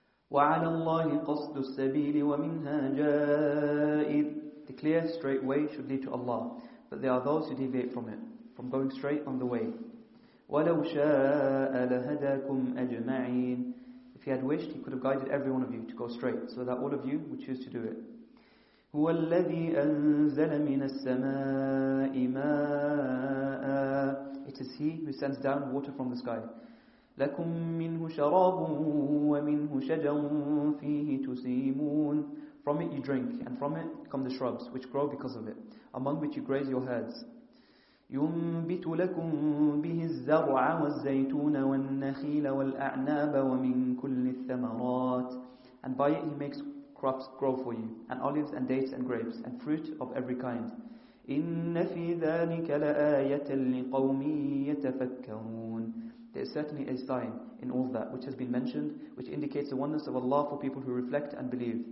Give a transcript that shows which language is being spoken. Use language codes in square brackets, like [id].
[ar] وَعَلَى اللَّهِ قَصْدُ السَّبِيلِ وَمِنْهَا جَائِدٌ. [en] The clear, straight way should lead to Allah, but there are those who deviate from it, from going straight on the way. [ar] وَلَوْ شَاءَ لَهَدَاكُمْ أَجْمَعِينَ. [en] If He had wished, He could have guided every one of you to go straight, so that all of you would choose to do it. [ar] هو الذي أنزل من السماء ماء. [en] It is He who sends down water from the sky. [ar] لكم منه شراب ومنه شجر فيه تسيمون. [en] From it you drink, and from it come the shrubs which grow because of it, among which you graze your herds. [ar] ينبت لكم به الزرع والزيتون والنخيل والأعناب ومن كل الثمرات. [en] And by it He makes crops grow for you, and olives and dates and grapes and fruit of every kind. [ar] إِنَّ فِي ذَلِكَ لَآيَةً لِقَوْمٍ يَتَفَكَّرُونَ. [en] There is certainly a sign in all that which has been mentioned, which indicates the oneness of Allah for people who reflect and believe.